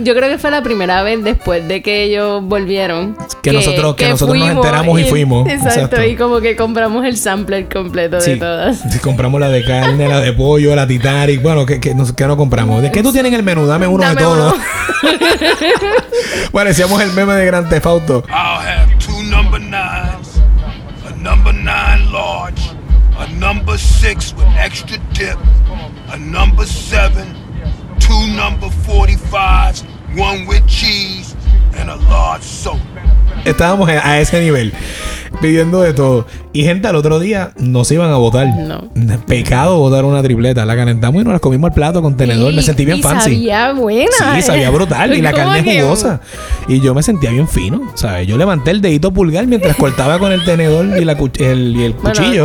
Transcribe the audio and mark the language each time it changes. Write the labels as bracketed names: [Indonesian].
[Spanish] Yo creo que fue la primera vez después de que ellos volvieron. Que nosotros nos enteramos y fuimos. Exacto. Y como que compramos el sampler completo sí, de todas. Sí, compramos la de carne, la de pollo, la Titanic. Bueno, ¿qué no compramos? ¿Qué tú tienes en el menú? Dame uno. Dame de todos. Uno. Bueno, decíamos el meme de Grand Theft Auto. [English] I'll have 2 number 9s, a number 9 large, a number 6 with extra dip, a number 7, 2 number 45s, 1 with cheese, and a large soap. [Spanish] Estábamos a ese nivel, pidiendo de todo. Y gente, al otro día nos iban a botar. No. Pecado botar una tripleta. La calentamos y nos la comimos al plato con tenedor. Me sentí bien y [English] fancy. [Spanish] Sabía buena. Sí, sabía brutal. Y la carne es jugosa. Y yo me sentía bien fino. O sea, yo levanté el dedito pulgar mientras cortaba con el tenedor y el cuchillo.